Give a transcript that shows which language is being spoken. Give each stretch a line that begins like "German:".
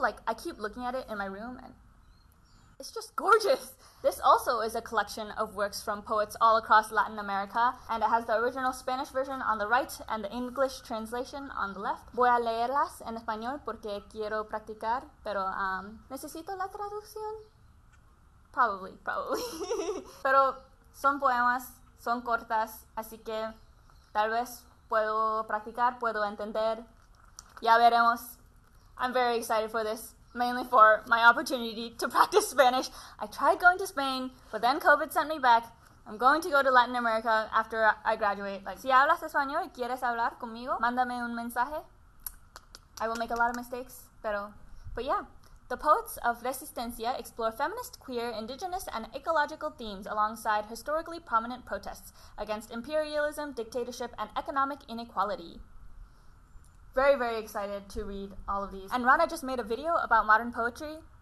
English: Like, I keep looking at it in my room, and it's just gorgeous. This also is a collection of works from poets all across Latin America, and it has the original Spanish version on the right and the English translation on the left.
Spanish: Voy a leerlas en español porque quiero practicar, pero necesito la traducción?
English: Probably.
Spanish: Pero son poemas, son cortas, así que tal vez puedo practicar, puedo entender. Ya veremos.
English: I'm very excited for this. Mainly for my opportunity to practice Spanish. I tried going to Spain, but then COVID sent me back. I'm going to go to Latin America after I graduate.
Spanish: Like, si hablas español y quieres hablar conmigo, mándame un mensaje.
English: I will make a lot of mistakes,
Spanish: pero...
English: But yeah, the poets of Resistencia explore feminist, queer, indigenous, and ecological themes alongside historically prominent protests against imperialism, dictatorship, and economic inequality. Very, very excited to read all of these. And Rana just made a video about modern poetry.